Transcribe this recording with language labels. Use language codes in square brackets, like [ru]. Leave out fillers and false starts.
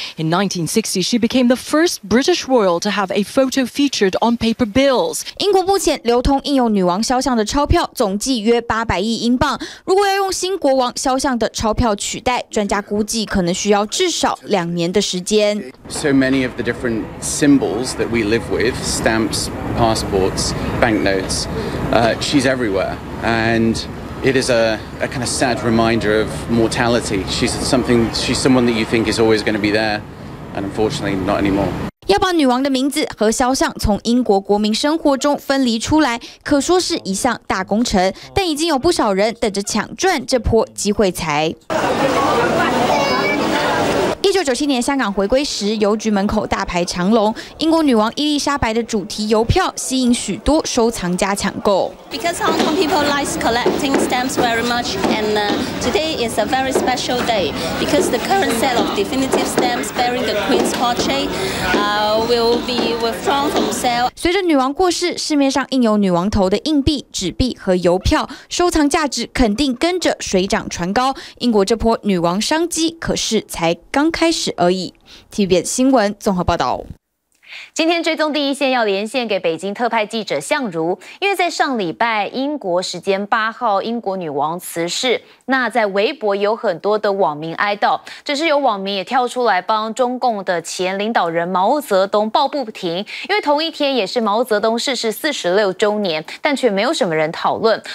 [en] In 1960, she became the first British royal to have a photo featured on paper bills. [zh] 英国目前流通印有女王肖像的钞票总计约800亿英镑。如果要用新国王肖像的钞票取代，专家估计可能需要至少2年的时间。 [en] So many of the different symbols that we live with—stamps, passports, banknotes—she's everywhere and. It is a kind of sad reminder of mortality. She's someone that you think is always going to be there, and unfortunately, not anymore. [zh] 要把女王的名字和肖像从英国国民生活中分离出来，可说是一项大工程。但已经有不少人等着抢赚这波机会财。 1997年香港回归时，邮局门口大排长龙，英国女王伊丽莎白的主题邮票吸引许多收藏家抢购。 [en] Because Hong Kong people like collecting stamps very much, and today is a very special day because the current set of definitive stamps bearing the Queen's portrait will be withdrawn from sale. [zh] 随着女王过世，市面上印有女王头的硬币、纸币和邮票，收藏价值肯定跟着水涨船高。英国这波女王商机可是才刚。开始而已。TVBS 新闻综合报道。今天追踪第一线要连线给北京特派记者向如，因为在上礼拜英国时间8号，英国女王辞世，那在微博有很多的网民哀悼，只是有网民也跳出来帮中共的前领导人毛泽东抱不平，因为同一天也是毛泽东逝世46周年，但却没有什么人讨论。